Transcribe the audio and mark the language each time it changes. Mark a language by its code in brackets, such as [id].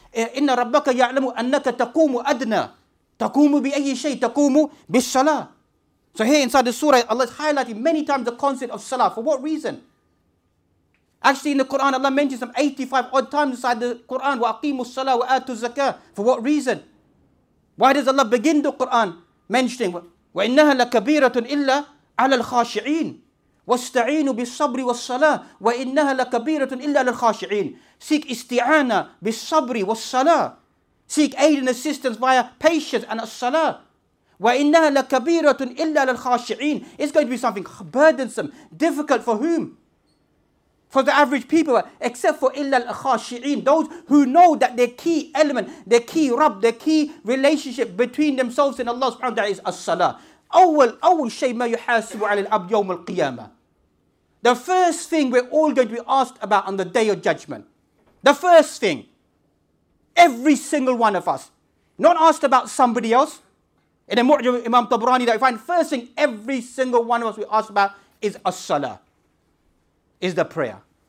[ar] إِنَّ رَبَّكَ يَعْلَمُ أَنَّكَ تَقُومُ أَدْنَى تَقُومُ بِأَيِّ شَيْءٍ تَقُومُ بِالصَّلَاةَ. [en] So here inside the surah, Allah is highlighting many times the concept of salah. For what reason? Actually, in the Quran, Allah mentions some 85 odd times inside the Quran, [ar] وَأَقِيمُ الصَّلَاةَ وَآتُوا الزَّكَاةَ. [en] For what reason? Why does Allah begin the Quran mentioning, [ar] وَإِنَّهَا لَكَبِيرَةٌ إِلَّا عَلَى الْخَاشِعِينَ وَاسْتَعِينُوا بِالصَّبْرِ وَالصَّلَاةِ وَإِنَّهَا لَكَبِيرَةٌ إِلَّا عَلَى الْخَاشِعِينَ. [en] Seek isti'ana [ar] بِالصَّبْرِ وَالصَّلَاةِ. [en] Seek aid and assistance via patience and as-salah. [ar] وَإِنَّهَا لَكَبِيرَةٌ إِلَّا عَلَى الْخَاشِعِينَ. [en] It's going to be something burdensome, difficult for whom? For the average people, except for [ar] إِلَّا الْخَاشِعِينَ, [en] those who know that their key element, their key rub, their key relationship between themselves and Allah subhanahu wa ta'ala is as-salah. [ar] أول شيء ما يحاسب على العبد يوم القيامة. [en] The first thing we're all going to be asked about on the Day of Judgment. The first thing. Every single one of us. Not asked about somebody else. In the Mu'jam of Imam Tabrani, that we find first thing every single one of us we ask about is as-salah. Is the prayer.